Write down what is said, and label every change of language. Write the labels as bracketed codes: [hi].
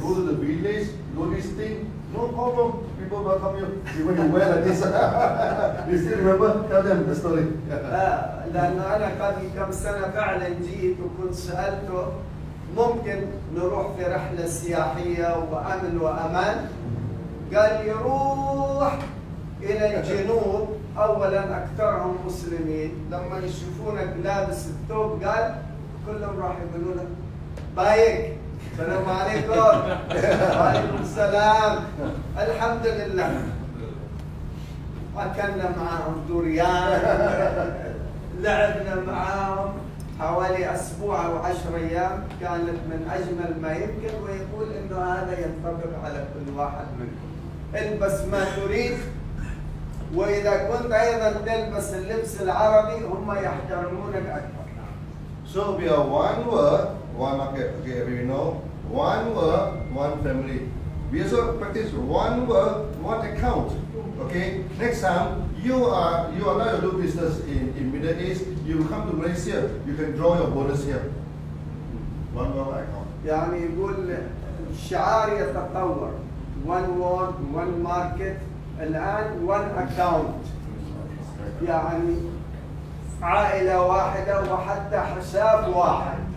[en] go to the village, do this thing. No problem, people welcome you. Even you wear like this. You still remember? Tell them the story. [ar] لأنه أنا قبل كم سنة فعلاً جيت وكنت سألته ممكن نروح في رحلة سياحية وأمل وأمان. قال يروح إلى الجنوب أولاً أكثرهم مسلمين. لما يشوفونك لابس الثوب قال كلهم راح يقولوا لك بايك. السلام عليكم. وعليكم السلام. الحمد لله. أكلنا معهم دوريان. لعبنا معهم حوالي أسبوع أو 10 أيام. كانت من أجمل ما يمكن. ويقول إنه هذا ينطبق على كل واحد منكم. البس ما تريد. وإذا كنت أيضا تلبس اللبس العربي هم يحترمونك أكثر. [en] So we are one word, one market. Okay, we know. One work, one family. We also practice one work, one account. Okay. Next time, you are not a new business in Middle East. You come to Malaysia, you can draw your bonus here. One work, one account. [ar] يعني يقول شعار يتطور. [en] One work, one market. [ar] الآن [en] one account. [ar] يعني عائلة واحدة وحتى حساب واحد.